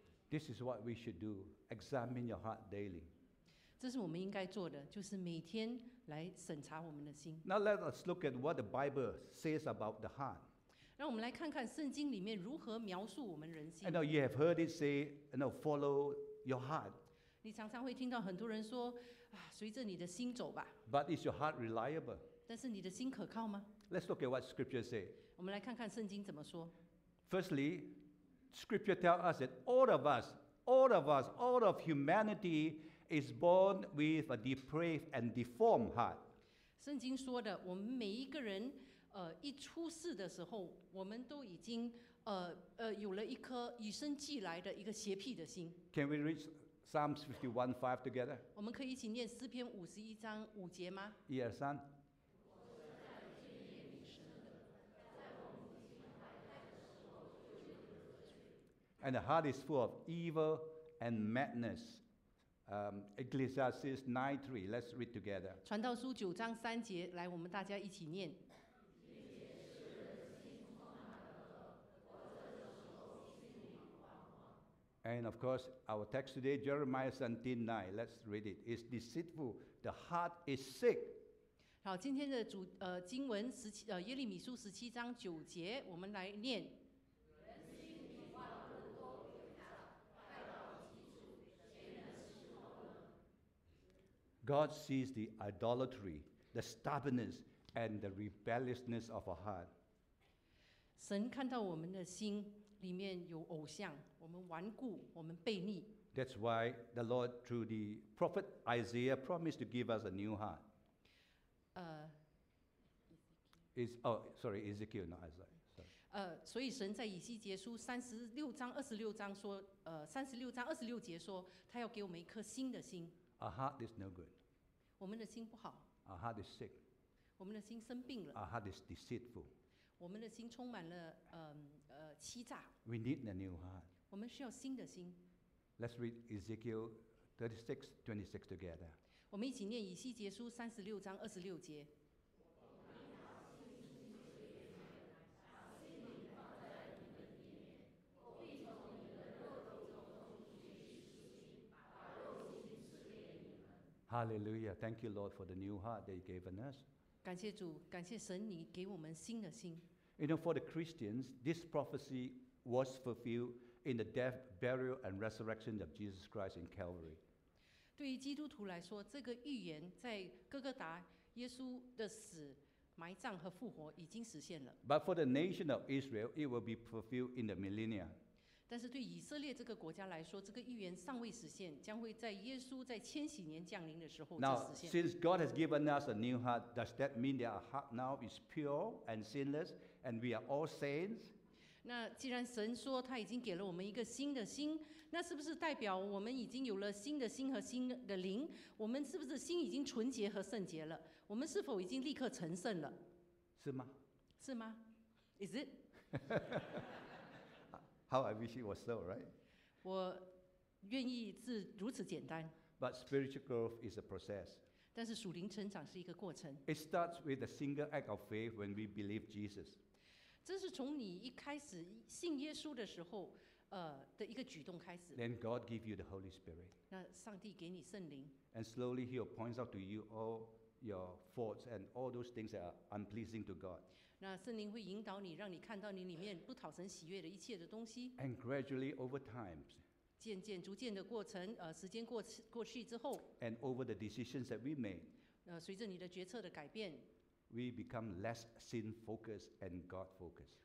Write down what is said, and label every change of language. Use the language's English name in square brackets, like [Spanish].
[English] This is what we should do. Examine your heart daily. [Chinese] 这是我们应该做的，就是每天来审查我们的心。 [English] Now let us look at what the Bible says about the heart. [Chinese] 让我们来看看圣经里面如何描述我们人心。 [English] And now you have heard it say, you know, follow your heart. [Chinese] 你常常会听到很多人说，啊，随着你的心走吧。 [English] But is your heart reliable? [Chinese] 但是你的心可靠吗？ [English] Let's look at what Scripture say. [Chinese] 我们来看看圣经怎么说。 [English] Firstly,Scripture tells us that all of humanity is born with a depraved and deformed heart. [Chinese] 圣经说的，我们每一个人，一出世的时候，我们都已经，有了一颗与生俱来的一个邪僻的心。 [English] Can we read Psalms 51:5 together? [Chinese] 我们可以一起念诗篇五十一章五节吗？一二三。 [English] And the heart is full of evil and madness. Ecclesiastes 9:3. Let's read together. [Chinese] 传道书九章三节，来，我们大家一起念。 [English] And of course, our text today, Jeremiah 17:9. Let's read it. It's deceitful. The heart is sick. [Chinese] 好，今天的主经文十七耶利米书十七章九节，我们来念。 [English] God sees the idolatry, the stubbornness, and the rebelliousness of our heart. [Chinese] 神看到我们的心里面有偶像，我们顽固，我们悖逆。 [English] That's why the Lord, through the prophet Isaiah, promised to give us a new heart. Ezekiel, not Isaiah. [Chinese] 所以神在以西结书三十六章二十六章说，三十六章二十六节说，他要给我们一颗新的心。 [English] A heart is no good. [Chinese] 我们的心不好。 [English] Our heart is sick. [Chinese] 我们的心生病了。 [English] Our heart is deceitful. [Chinese] 我们的心充满了欺诈。 [English] We need a new heart. [Chinese] 我们需要新的心。 [English] Let's read Ezekiel 36:26 together. [Chinese] 我们一起念以西结书三十六章二十六节。 [English] Hallelujah. Thank you, Lord, for the new heart that you gave us. [Chinese] 感谢主，感谢神，你给我们新的心。 [English] You know, for the Christians, this prophecy was fulfilled in the death, burial, and resurrection of Jesus Christ in Calvary. [Chinese] 对于基督徒来说，这个预言在哥哥达耶稣的死、埋葬和复活已经实现了。 [English] But for the nation of Israel, it will be fulfilled in the millennium. [Chinese] 但是对以色列这个国家来说，这个预言尚未实现，将会在耶稣在千禧年降临的时候才实现。 [English] Now, since God has given us a new heart, does that mean that our heart now is pure and sinless, and we are all saints? [Chinese] 那既然神说他已经给了我们一个新的心，那是不是代表我们已经有了新的心和新的灵？我们是不是心已经纯洁和圣洁了？我们是否已经立刻成圣了？是吗？是吗 ？ [English] Is it? How I wish it was so, right? [Chinese] 我愿意是如此简单。 [English] But spiritual growth is a process. [Chinese] 但是属灵成长是一个过程。 [English] It starts with a single act of faith when we believe Jesus. [Chinese] 这是从你一开始信耶稣的时候，的一个举动开始。 [English] Then God gives you the Holy Spirit. [Chinese] 那上帝给你圣灵。 [English] And slowly He will point out to you all your faults and all those things that are unpleasing to God. [Chinese] 那圣灵会引导你，让你看到你里面不讨神喜悦的一切的东西。 [English] And gradually over time, [Chinese] 渐渐逐渐的过程，时间过去之后。 [English] And over the decisions that we made, [Chinese] 随着你的决策的改变。 [English] We become less sin focused and God focused.